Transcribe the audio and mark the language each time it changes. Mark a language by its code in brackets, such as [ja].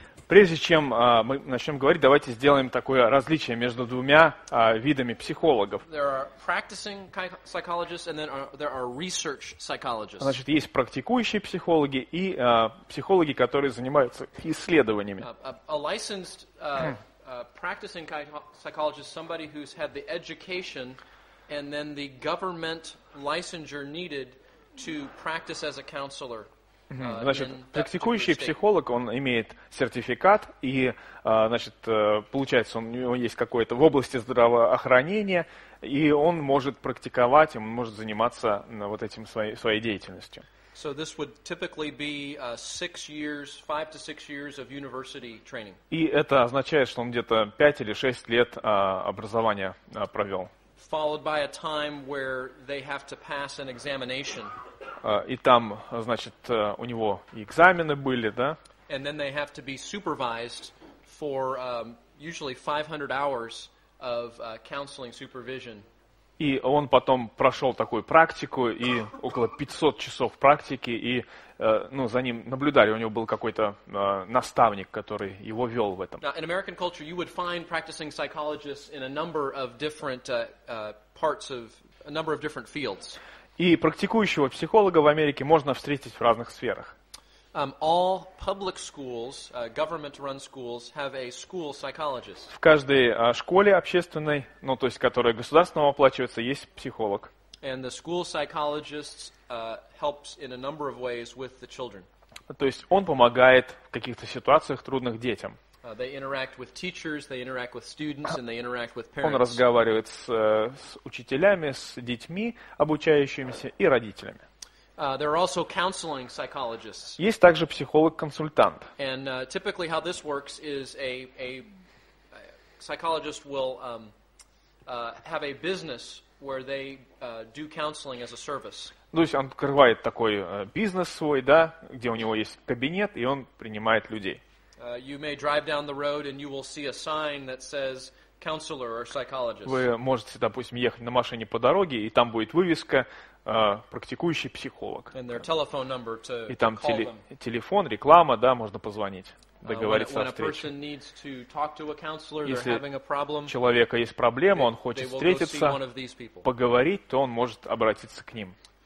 [ru] Прежде чем мы начнем говорить, давайте сделаем такое различие между двумя видами психологов. [en] There are practicing psychologists and then there are research psychologists. [ru] Значит, есть практикующие психологи и психологи, которые занимаются исследованиями. [en] A licensed practicing psychologist is somebody who's had the education and then the government licensure needed to practice as a counselor. [ru] Значит, практикующий психолог, он имеет сертификат, и, значит, получается, у него есть какое-то в области здравоохранения, и он может практиковать, он может заниматься вот этим своей деятельностью. [en] So this would typically be six years, 5 to 6 years of university training. [ru] И это означает, что он где-то 5 или 6 лет образования провел. [en] Followed by a time where they have to pass an examination. [ru] И там, значит, у него и экзамены были, да? [en] And then they have to be supervised for usually 500 hours of counseling supervision. [ru] И он потом прошел такую практику, и около 500 часов практики, и ну, за ним наблюдали, у него был какой-то наставник, который его вел в этом. [en] Now, in American culture, you would find practicing psychologists in a number of different parts of, a number of different fields. [ru] И практикующего психолога в Америке можно встретить в разных сферах. [en] All public schools, government-run schools, have a school psychologist. [ru] В каждой школе общественной, ну, то есть, которая государственно оплачивается, есть психолог. [en] And the school psychologist helps in a number of ways with the children. [ru] То есть, он помогает в каких-то ситуациях трудных детям. [en] They interact with teachers, they interact with students, and they interact with parents. [ru] Он разговаривает с учителями, с детьми, обучающимися, и родителями. [en] There are also counseling psychologists. [ru] Есть также психолог-консультант. [en] And typically how this works is a psychologist will have a business where they do counseling as a service. [ru] То есть он открывает такой бизнес свой, да, где у него есть кабинет, и он принимает людей. [en] You may drive down the road and you will see a sign that says counselor or psychologist. [ru] Вы можете, допустим, ехать на машине по дороге, и там будет вывеска практикующий психолог. [en] And their telephone number to call them. [ru] И там телефон, реклама, да, можно позвонить, договориться о встрече. [en] When a person needs to talk to a counselor, they're having a problem. [ru] Если у человека есть проблема, он хочет встретиться, поговорить, то он может обратиться к ним.